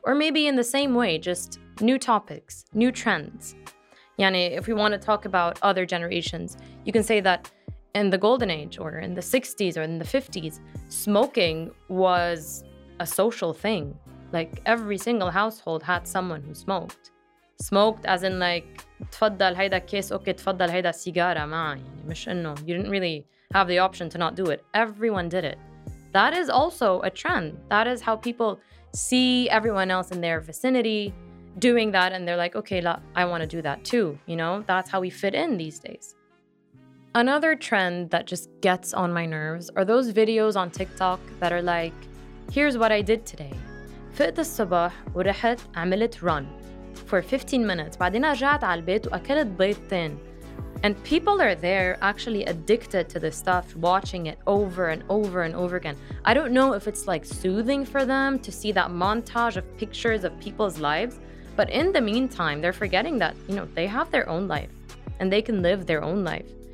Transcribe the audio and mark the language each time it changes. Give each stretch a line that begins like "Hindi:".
English: Or maybe in the same way, just new topics, new trends. Yani, if we want to talk about other generations, you can say that in the golden age or in the 60s or in the 50s, smoking was a social thing. Like, every single household had someone who smoked. Smoked as in like,
Arabic: تفضل هيدا كيس أوكي تفضل هيدا سيجارة معي. مش إنه,
English: you didn't really have the option to not do it. Everyone did it. That is also a trend. That is how people see everyone else in their vicinity doing that, and they're like, okay, I want to do that too. You know, that's how we fit in these days. Another trend that just gets on my nerves are those videos on TikTok that are like, here's what I did today.
Arabic: فقت الصباح ورحت عملت
English: run for 15 minutes.
Arabic: بعدين رجعت على البيت وأكلت بيضتين.
English: And people are there actually addicted to this stuff, watching it over and over and over again. I don't know if it's like soothing for them to see that montage of pictures of people's lives. But in the meantime, they're forgetting that, you know, they have their own life and they can live their own life.